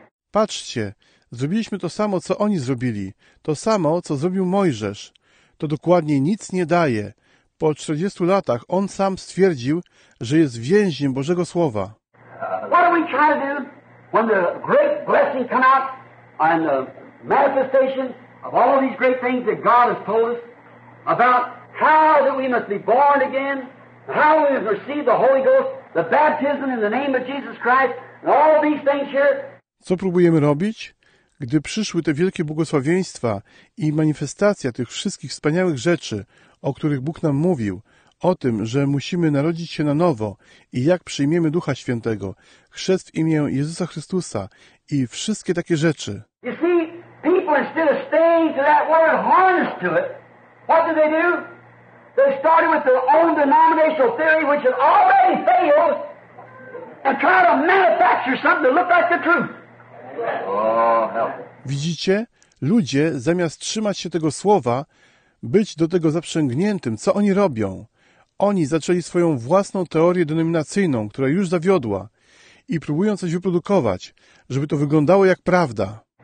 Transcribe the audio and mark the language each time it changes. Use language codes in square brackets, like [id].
[pl] Patrzcie, zrobiliśmy to samo, co oni zrobili. To samo, co zrobił Mojżesz. To dokładnie nic nie daje. Po 40 latach on sam stwierdził, że jest więźniem Bożego Słowa. [en] What are we trying to do? When the great blessing come out and the manifestation of all these great things that God has told us about how that we must be born again, how we must receive the Holy Ghost, the baptism in the name of Jesus Christ, and all these things here. [pl] Co próbujemy robić? Gdy przyszły te wielkie błogosławieństwa i manifestacja tych wszystkich wspaniałych rzeczy, o których Bóg nam mówił, o tym, że musimy narodzić się na nowo i jak przyjmiemy Ducha Świętego, chrzest w imię Jezusa Chrystusa i wszystkie takie rzeczy. [en] You see, people instead of staying to that word harnessed to it, what do? They started with their own denominational theory, which had already failed, and try to manufacture something to look like the truth. [pl] Widzicie? Ludzie, zamiast trzymać się tego słowa, być do tego zaprzęgniętym, co oni robią? Oni zaczęli swoją własną teorię denominacyjną, która już zawiodła i próbują coś wyprodukować, żeby to wyglądało jak prawda.